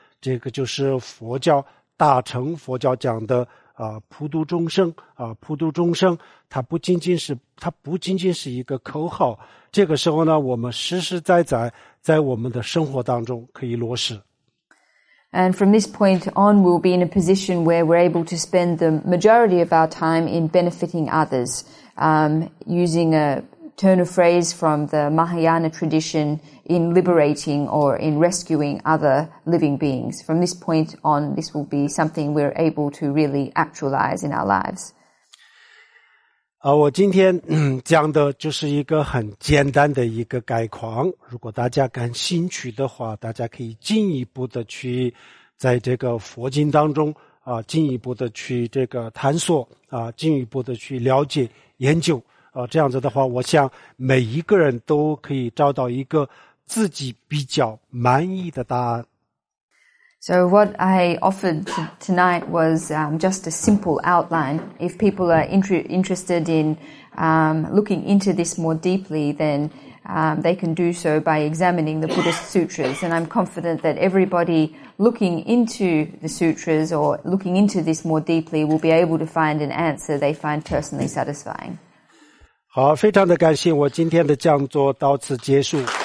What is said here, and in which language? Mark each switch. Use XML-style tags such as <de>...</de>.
<zh>这个就是佛教大乘佛教讲的普度众生普度众生，它不仅仅是一个口号。这个时候呢，我们实实在在在我们的生活当中可以落实。</zh> <en>And from this point on, we'll be in a position where we're able to spend the majority of our time in benefiting others. Using a turn of phrase from the Mahayana tradition, in liberating or in rescuing other living beings. From this point on, this will be something we're able to really actualize in our lives.</en> <zh>我今天讲的就是一个很简单的一个概况，如果大家感兴趣的话，大家可以进一步的去在这个佛经当中进一步的去这个探索进一步的去了解研究这样子的话，我想每一个人都可以找到一个自己比较满意的答案。</zh> <en>So what I offered tonight was just a simple outline. If people are interested in looking into this more deeply, then they can do so by examining the Buddhist sutras. And I'm confident that everybody looking into the sutras or looking into this more deeply will be able to find an answer they find personally satisfying.</en> <zh>好，非常的感谢，我今天的讲座到此结束。</zh>